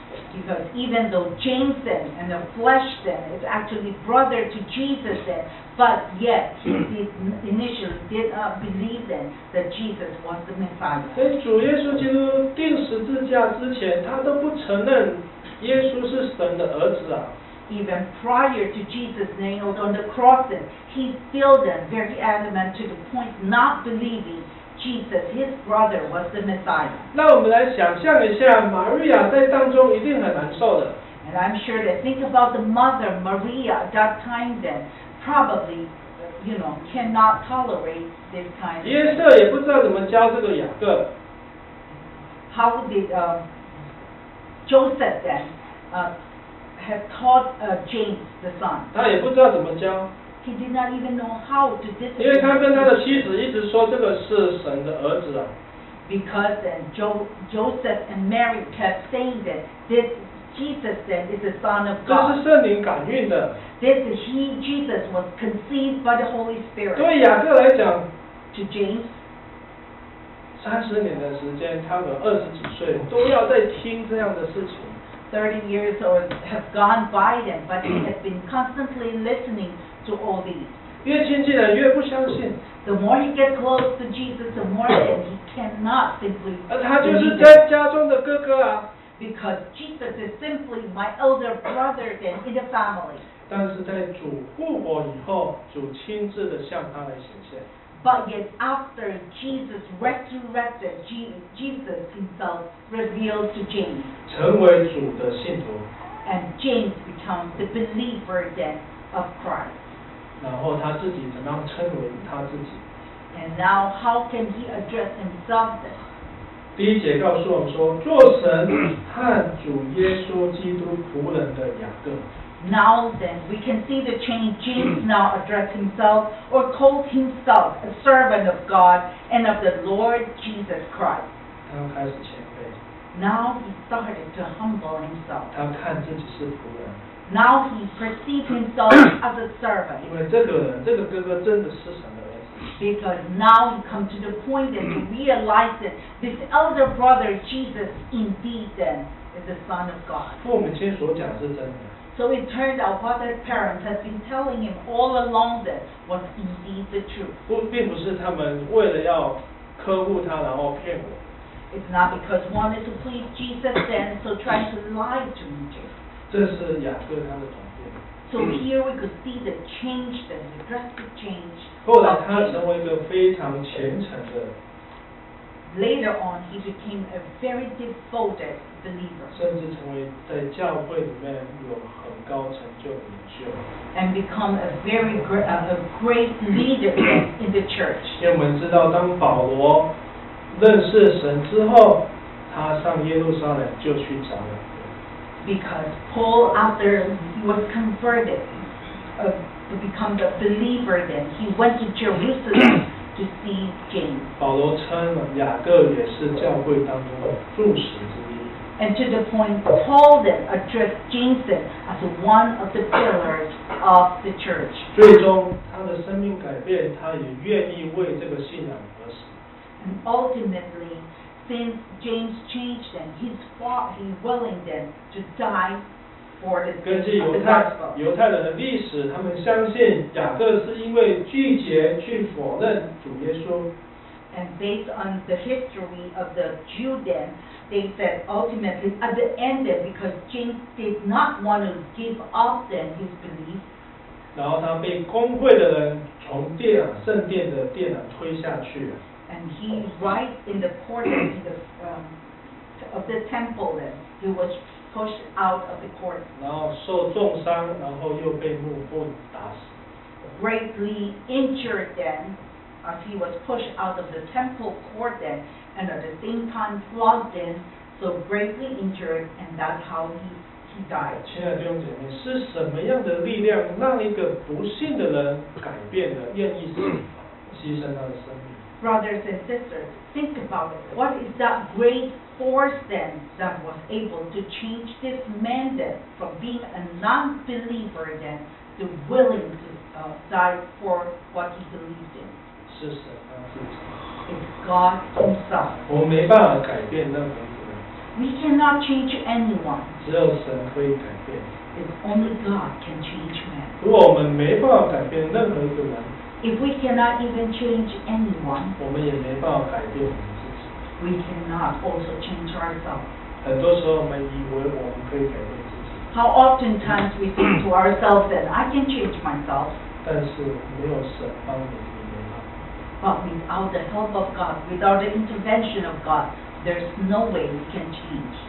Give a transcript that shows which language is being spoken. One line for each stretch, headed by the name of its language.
English: Because even though James then and the flesh then is actually brother to Jesus then, but yet he did initially did not believe then that Jesus was the Messiah.
Chinese: 在主耶稣基督钉十字架之前，他都不承认耶稣是神的儿子啊。
English: Even prior to Jesus nailed on the cross, then he still then very adamant to the point not believing. Jesus, his brother, was the Messiah.
Chinese: 那我们来想象一下，玛利亚在当中一定很难受的。
English: And I'm sure that think about the mother Maria at that time then, probably, you know, cannot tolerate this kind of.
Chinese: 约瑟也不知道怎么教这个雅各。
English: How did Joseph then have taught James the son?
Chinese: 他也不知道怎么教。
English: He did not even know how to discipline.
Chinese: 因为他跟他的妻子一直说这个是神的儿子啊。
English: Because then Joseph and Mary kept saying that this Jesus then is the Son of God.
Chinese: 这是圣灵感孕的。
English: This is he Jesus was conceived by the Holy Spirit.
Chinese: 对雅各来讲
English: ，To James,
Chinese: 30年的时间，他们二十几岁都要在听这样的事情。
English: 30 years have gone by then, but he has been constantly listening. To all these.
Chinese: 越亲近的越不相信。
English: The more he gets close to Jesus, the more then he cannot simply.
Chinese: 他就是在家中的哥哥啊。
English: Because Jesus is simply my elder brother then in the family.
Chinese: 但是在主复活以后，主亲自的向他来显现。
English: But yet after Jesus resurrected, Jesus himself revealed to James.
Chinese: 成为主的信徒。
English: And James becomes the believer then of Christ.
Chinese: 然后他自己怎么样称为他自己
English: ？And now how can he address himself?
Chinese: 第一节告诉我们说，做神和主耶稣基督仆人的雅各。
English: Now then we can see the change. James now addressed himself or called himself a servant of God and of the Lord Jesus Christ.
Chinese: 他开始谦卑。
English: Now he started to humble himself.
Chinese: 他看自己是仆人。
English: Now he perceives himself as a servant.
Chinese: 因为这个人，这个哥哥真的是神的儿子。
English: Because now he comes to the point that he realizes that this elder brother Jesus indeed then is the son of God.
Chinese: 父母亲所讲是真的。
English: So it turned out what his parents had been telling him all along that was indeed the truth.
Chinese: 并不是他们为了要呵护他，然后骗我。
English: It's not because wanted to please Jesus then, so trying to lie to me, Jesus.
Chinese: 这是雅各他的转变。
English: So here we could see the change, the drastic change.
Chinese: 后来他成为一个非常虔诚的。
English: Later on, he became a very devoted believer.
Chinese: 甚至成为在教会里面有很高成就的领袖。
English: And become a very great leader in the church.
Chinese: 因为我们知道，当保罗认识神之后，他上耶路撒冷就去找了。
English: Because Paul, after he was converted to become the believer, then he went to Jerusalem to see James.
Chinese: 保罗称雅各也是教会当中的柱石之一。
English: and to the point called it, addressed Jameson as one of the pillars of the church.
Chinese: 最终他的生命改变，他也愿意为这个信仰而死。
English: And ultimately, since James changed them, he willing them to die for the gospel.
Chinese: 根据犹太人的历史，他们相信雅各是因为拒绝去否认主耶稣。
English: And based on the history of the Judeans, they said ultimately at the end, because James did not want to give up them his belief.
Chinese: 然后他被公会的人从殿圣殿的殿廊推下去。
English: And he right in the court of the temple, then he was pushed out of the court.
Chinese: 然后受重伤，然后又被木棍打死。
English: Greatly injured then. As he was pushed out of the temple court then, and at the same time flogged in, so greatly injured, and that's how he died.
Chinese: 亲爱的弟兄姐妹，是什么样的力量让一个不信的人改变了，愿意牺牲他的生命？
English: Brothers and sisters, think about it. What is that great force then that was able to change this man then from being a non-believer then to willing to die for what he believed in? It's God Himself.
Chinese: 我没办法改变任何人。
English: We cannot change anyone.
Chinese: 只有神可以改变。
English: It's only God can change man.
Chinese: 如果我们没办法改变任何一个人。
English: If we cannot even change anyone.
Chinese: 我们也没办法改变我们自己。
English: We cannot also change ourselves.
Chinese: 很多时候我们以为我们可以改变自己。
English: How often times we think to ourselves that I can change myself.
Chinese: 但是没有神帮你。
English: But without the help of God, without the intervention of God, there's no way we can change.